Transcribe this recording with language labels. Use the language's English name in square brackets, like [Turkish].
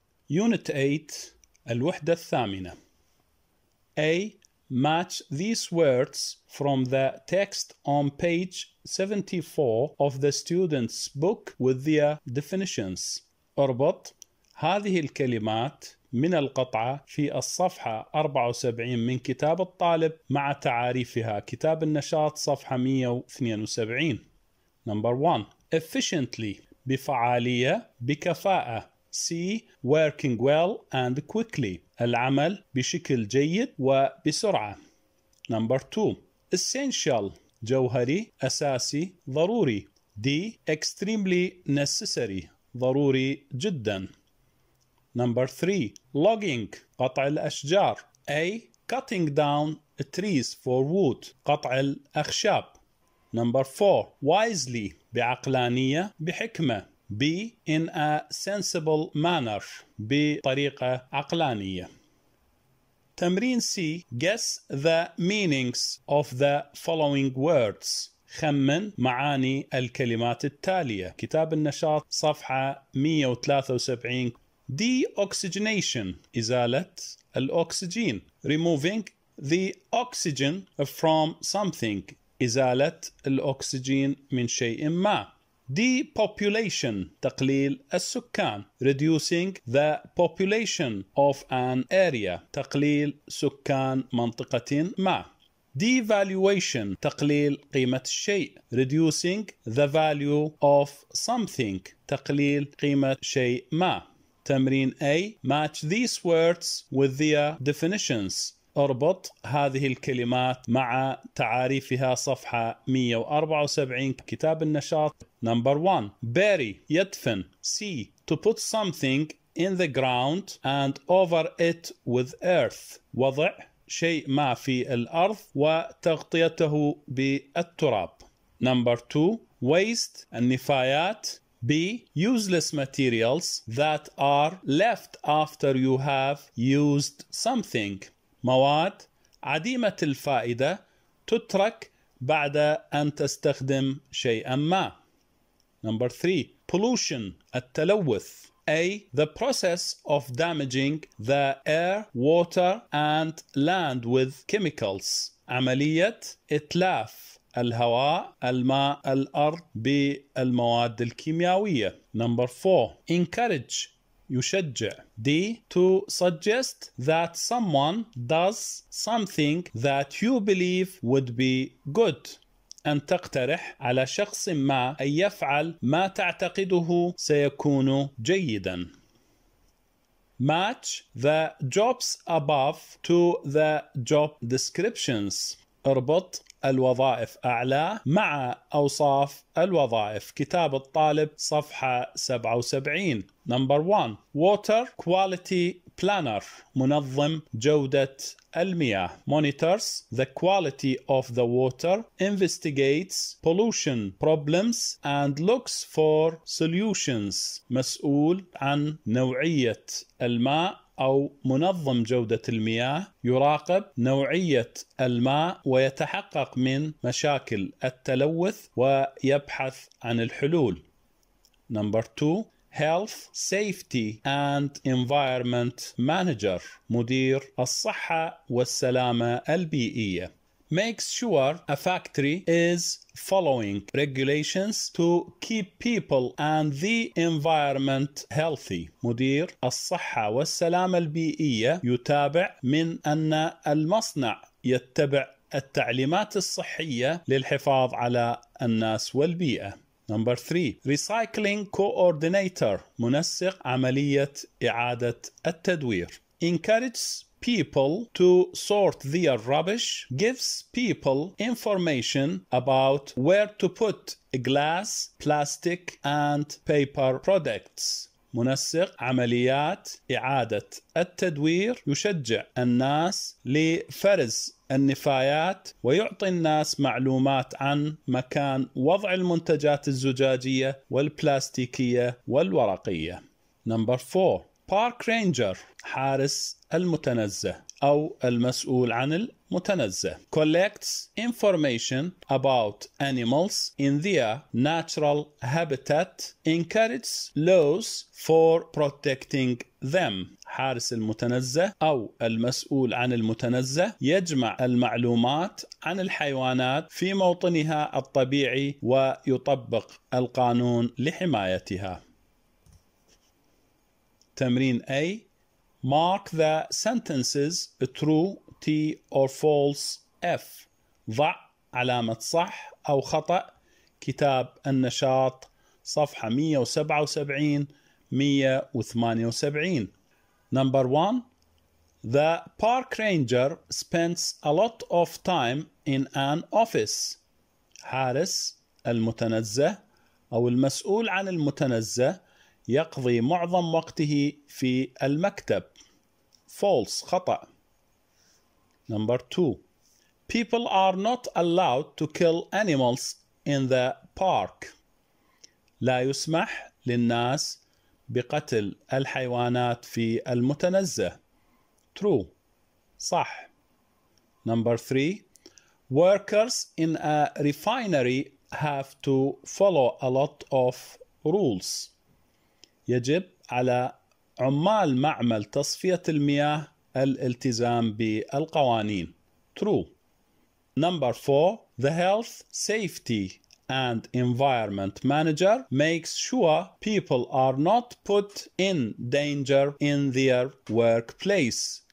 [English] Unit 8, [Arabic] الوحدة الثامنة. [English] A. Match these words from the text on page 74 of the student's book with their definitions. [Arabic] اربط هذه الكلمات من القطعة في الصفحة 74 من كتاب الطالب مع تعاريفها كتاب النشاط صفحة 172. [English] Number 1. [Arabic] Efficiently بفعالية بكفاءة. [English] C. Working well and quickly. [Arabic] العمل بشكل جيد وبسرعة. [English] Number 2. Essential. [Arabic] جوهري أساسي ضروري. [English] D. Extremely necessary. [Arabic] ضروري جدا. [English] Number 3. Logging. [Arabic] قطع الأشجار. A. [English] Cutting down trees for wood. [Arabic] قطع الأخشاب. [English] Number 4. Wisely. [Arabic] بعقلانية بحكمة. [English] B. In a sensible manner. [Arabic] بطريقة عقلانية. تمرين C. [English] Guess the meanings of the following words. [Arabic] خمن معاني الكلمات التالية. كتاب النشاط صفحة 173. Deoxygenation. إزالة الأكسجين. [English] Removing the oxygen from something. [Arabic] إزالة الأكسجين من شيء ما. Depopulation, تقليل السكان. [English] Reducing the population of an area, [Arabic] تقليل سكان منطقة ما. Devaluation, تقليل قيمة الشيء. [English] Reducing the value of something, [Arabic] تقليل قيمة شيء ما. [English] تمرين A, match these words with their definitions. [Arabic] اربط هذه الكلمات مع تعاريفها صفحة 174 كتاب النشاط. [English] Number 1. Bury, يدفن. C. To put something in the ground and over it with earth. [Arabic] وضع شيء ما في الأرض وتغطيته بالتراب. [English] Number 2. Waste, النفايات. B. Useless materials that are left after you have used something. [Arabic] مواد عديمة الفائدة تترك بعد أن تستخدم شيئاً ما. [English] Number 3. Pollution. التلوث. A. The process of damaging the air, water and land with chemicals. [Arabic] عملية إتلاف الهواء الماء الأرض بالمواد الكيميائية. [English] Number 4. Encourage. يشجع. D. To suggest that someone does something that you believe would be good. [Arabic] أن تقترح على شخص ما أن يفعل ما تعتقده سيكون جيدا. [English] Match the jobs above to the job descriptions. [Arabic] اربط الوظائف أعلى مع أوصاف الوظائف. كتاب الطالب صفحة 77. [English] Number 1. Water Quality Planner. [Arabic] منظم جودة المياه. [English] Monitors the quality of the water, investigates pollution problems and looks for solutions. [Arabic] مسؤول عن نوعية الماء أو منظم جودة المياه يراقب نوعية الماء ويتحقق من مشاكل التلوث ويبحث عن الحلول. [English] Number 2. Health, Safety and Environment Manager. [Arabic] مدير الصحة والسلامة البيئية. [English] Makes sure a factory is following regulations to keep people and the environment healthy. [Arabic] مدير الصحة والسلامة البيئية يتابع من أن المصنع يتبع التعليمات الصحية للحفاظ على الناس والبيئة. [English] Number 3. Recycling Coordinator. [Arabic] منسق عملية إعادة التدوير. [English] Encourages people to sort their rubbish, gives people information about where to put glass, plastic and paper products. [Arabic] منسق عمليات إعادة التدوير يشجع الناس لفرز النفايات ويعطي الناس معلومات عن مكان وضع المنتجات الزجاجية والبلاستيكية والورقية. [English] Number 4. park ranger [Arabic] حارس المتنزه أو المسؤول عن المتنزه [English] collects information about animals in their natural habitat encourages laws for protecting [Arabic] them حارس المتنزه أو المسؤول عن المتنزه يجمع المعلومات عن الحيوانات في موطنها الطبيعي ويطبق القانون لحمايتها تمرين A [English] Mark the sentences true T or false F. [Arabic] ضع علامة صح أو خطأ كتاب النشاط صفحة 177-178. [English] Number one, the park ranger spends a lot of time in an office. [Arabic] حارس المتنزه أو المسؤول عن المتنزه يقضي معظم وقته في المكتب. [English] False, خطأ. Number two. People are not allowed to kill animals in the park. [Arabic] لا يسمح للناس بقتل الحيوانات في المتنزه. [English] True, صح. Number three. Workers in a refinery have to follow a lot of rules. [Arabic] يجب على عمال معمل تصفية المياه الالتزام بالقوانين. [English] True. Number four. The health, safety and environment manager makes sure people are not put in danger in their workplace.